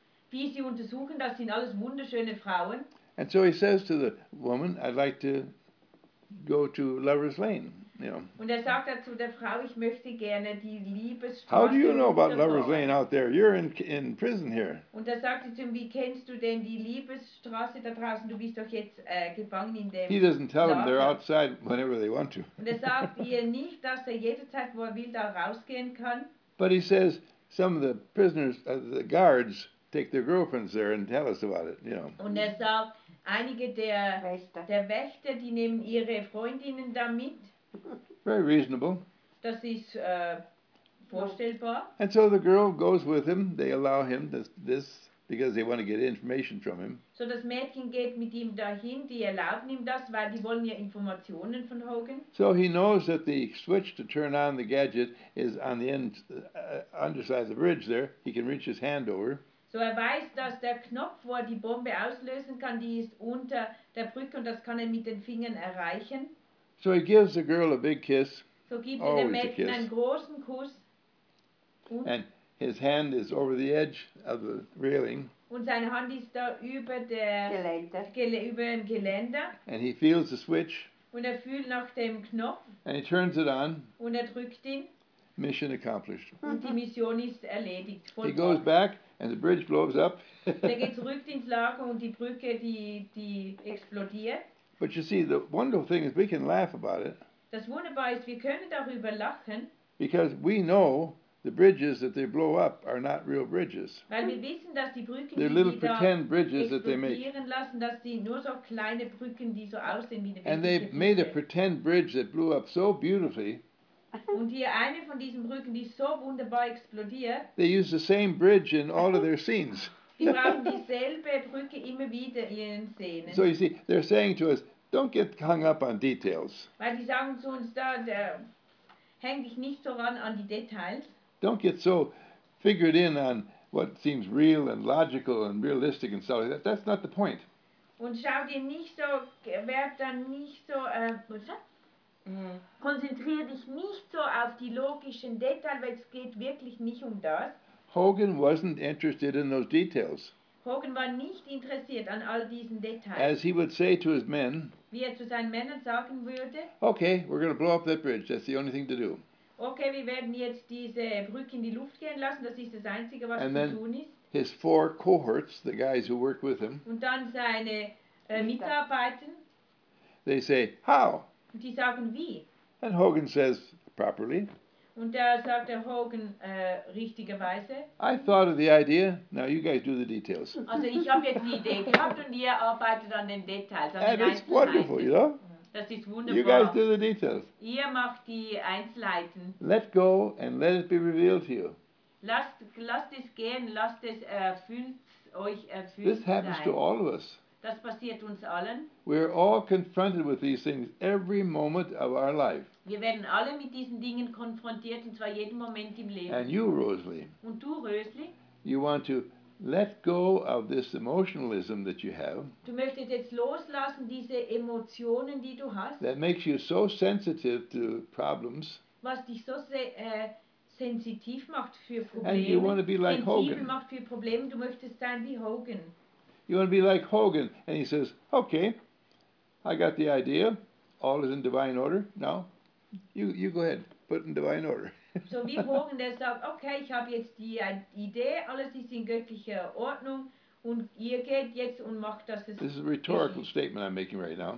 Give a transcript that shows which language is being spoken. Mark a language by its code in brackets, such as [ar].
[de] Wie sie untersuchen, das sind alles wunderschöne Frauen. [en] And so he says to the woman, I'd like to go to Lover's Lane. [de] Und er sagt dazu der Frau, ich möchte gerne die Liebesstraße. [en] How do you know about Lover's Lane out there? You're in prison here. [de] Und er sagt zu ihm, wie kennst du denn die Liebesstraße da draußen? Du bist doch jetzt gefangen in dem. [en] He doesn't tell them they're outside whenever they want to. [de] Und er sagt ihr nicht, dass er jederzeit, wo er will, da rausgehen kann. [en] But he says some of the prisoners, the guards, take their girlfriends there and tell us about it. You know. [de] Und er sagt, einige der Wächter, die nehmen ihre Freundinnen damit. [en] Very reasonable. [de] Das ist vorstellbar. [en] And so the girl goes with him. They allow him this because they want to get information from him. [de] So das Mädchen geht mit ihm dahin. Die erlauben ihm das, weil die wollen ja Informationen von Hogan. [en] So he knows that the switch to turn on the gadget is on the end, underside of the bridge there. He can reach his hand over. [de] So er weiß, dass der Knopf, wo er die Bombe auslösen kann, die ist unter der Brücke und das kann er mit den Fingern erreichen. [en] So he gives the girl a big kiss. [de] So gibt er dem Mädchen einen großen Kuss. [en] And his hand is over the edge of the railing. [de] Und seine Hand ist da über der über dem Geländer. [en] And he feels the switch. [de] Und er fühlt nach dem Knopf. [en] And he turns it on. [de] Und er drückt ihn. [en] Mission accomplished. [de] Und die Mission ist erledigt. [en] He goes back and the bridge blows up. [de] Er geht zurück ins Lager und die Brücke die explodiert. [en] But you see, the wonderful thing is we can laugh about it. [de] Das Wunderbare ist, wir können darüber lachen. [en] Because we know the bridges that they blow up are not real bridges. [de] Weil wir wissen, dass die Brücken, [en] they're little pretend bridges that they make. [de] Lassen, dass die nur so kleine Brücken, die so aussehen, wie eine [en] and they made a pretend bridge that blew up so beautifully. [de] Und hier eine von diesen Brücken, die so wunderbar explodiert. [en] They use the same bridge in all of their scenes. [de] Die brauchen dieselbe Brücke immer wieder in ihren Szenen. [en] So you see, they're saying to us, don't get hung up on details. [de] Weil die sagen zu uns da, häng dich nicht so ran an die Details. [en] Don't get so figured in on what seems real and logical and realistic and so like that. That's not the point. [de] Und schau dir nicht so, werd dann nicht so, konzentrier dich nicht so auf die logischen Details, weil es geht wirklich nicht um das. [en] Hogan wasn't interested in those details. [de] Hogan war nicht interessiert an all diesen Details. [en] As he would say to his men, [de] wie er zu seinen Männern sagen würde, [en] okay, we're going to blow up that bridge. That's the only thing to do. [de] Okay, wir werden jetzt diese Brücke in die Luft gehen lassen. Das ist das Einzige, was zu tun ist. [en] His four cohorts, the guys who work with him, [de] und dann seine Mitarbeiter, [en] they say, how? [de] Und die sagen, wie? [en] And Hogan says, properly. [de] Und da sagt der Hogan richtigerweise. [en] I thought of the idea. Now you guys do the details. [de] Also ich habe jetzt die Idee gehabt und ihr arbeitet an den Details. [en] And it's wonderful, you know. [de] Das ist wunderbar. [en] You guys do the details. [de] Ihr macht die Einzelheiten. [en] Let go and let it be revealed to you. [de] Lasst es gehen, lasst es erfüllt euch erfüllt. [en] This happens to all of us. [de] Das passiert uns allen. [en] We are all confronted with these things every moment of our life. [de] Wir werden alle mit diesen Dingen konfrontiert, und zwar jeden Moment im Leben. [en] And you, Rosalie. [de] Und du, Rosalie. [en] You want to let go of this emotionalism that you have. [de] Du möchtest jetzt loslassen diese Emotionen, die du hast. [en] That makes you so sensitive to problems. [de] Was dich so sensitiv macht für Probleme. [en] And you want to be like Hogan. [de] Sensibel macht für Probleme. Du möchtest sein wie Hogan. [en] You want to be like Hogan, and he says, "Okay, I got the idea. All is in divine order. Now, you go ahead, put in divine order." [de] So wie Hogan, der sagt, okay, ich habe jetzt die Idee, alles ist in göttlicher Ordnung, und ihr geht jetzt und macht das. [en] This is a rhetorical statement I'm making right now.